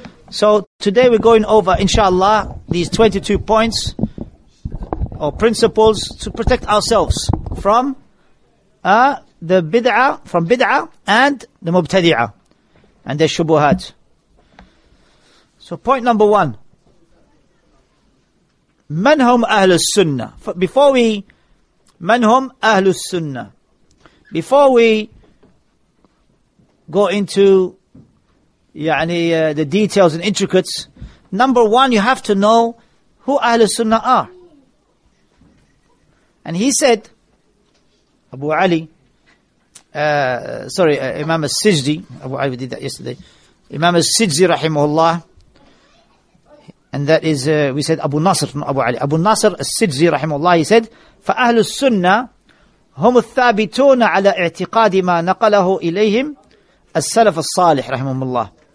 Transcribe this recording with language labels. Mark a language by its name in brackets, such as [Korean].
[English] So today we're going over, inshallah, these 22 points or principles to protect ourselves from the bid'ah, from bid'ah and the mubtadi'ah and the shubuhat. So point number one, [Arabic] من هم أهل السنة. [English] Before we, [Arabic] من هم أهل السنة. [English] Before we go into يعني the details and intricates, number one, you have to know who أهل السنة are. And he said, Abu Ali, Imam al-Sijdi, Abu Ali did that yesterday, Imam al-Sijdi rahimahullah, and that is, we said Abu Nasr, not Abu Ali, Abu Nasr al-Sijdi rahimahullah, he said, [Arabic] فَأَهْلُ السُّنَّةِ هُمُ الثَّابِتُونَ عَلَىٰ اِعْتِقَادِ مَا نَقَلَهُ إِلَيْهِمْ السَّلَفَ الصَّالِحِ [English] rahimahullah.